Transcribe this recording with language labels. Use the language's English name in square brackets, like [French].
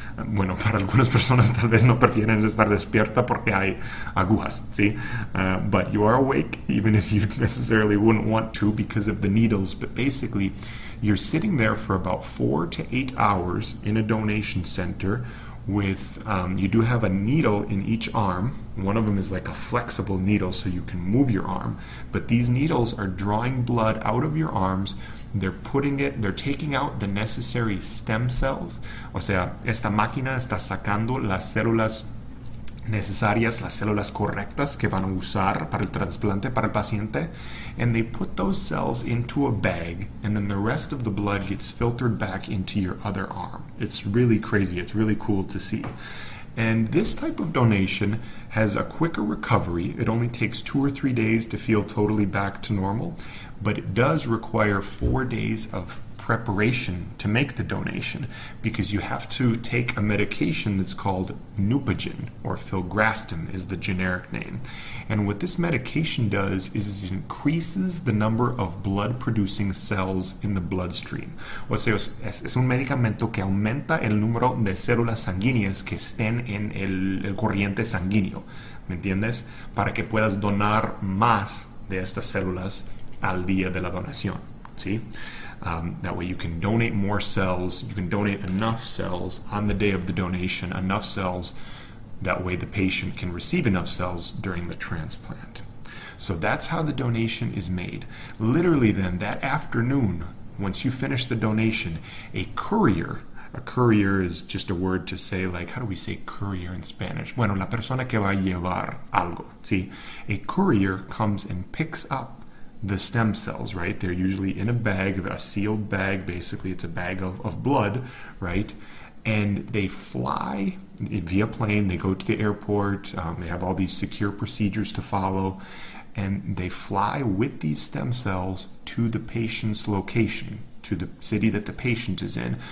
[Spanish] Bueno, para algunas personas tal vez no prefieren estar despierta porque hay agujas, ¿sí? [English] But you are awake, even if you necessarily wouldn't want to because of the needles. But basically, you're sitting there for about 4 to 8 hours in a donation center with, you do have a needle in each arm. One of them is like a flexible needle so you can move your arm. But these needles are drawing blood out of your arms. They're taking out the necessary stem cells. [Spanish] O sea, esta máquina está sacando las células necesarias, las células correctas que van a usar para el trasplante para el paciente. [English] And they put those cells into a bag, and then the rest of the blood gets filtered back into your other arm. It's really crazy. It's really cool to see. And this type of donation has a quicker recovery. It only takes 2 or 3 days to feel totally back to normal, but it does require 4 days of preparation to make the donation because you have to take a medication that's called Neupogen, or filgrastim is the generic name. And what this medication does is it increases the number of blood-producing cells in the bloodstream. [Spanish] O sea, es un medicamento que aumenta el número de células sanguíneas que estén en el corriente sanguíneo, ¿me entiendes? Para que puedas donar más de estas células al día de la donación, ¿sí? [English] That way you can donate more cells, you can donate enough cells on the day of the donation, enough cells, that way the patient can receive enough cells during the transplant. So that's how the donation is made. Literally then, that afternoon, once you finish the donation, a courier is just a word to say, like, how do we say courier in Spanish? [Spanish] Bueno, la persona que va a llevar algo, ¿sí? [English] A courier comes and picks up the stem cells, right? They're usually in a bag, a sealed bag, basically it's a bag of blood, right? And they fly via plane, they go to the airport, they have all these secure procedures to follow, and they fly with these stem cells to the patient's location, to the city that the patient is in.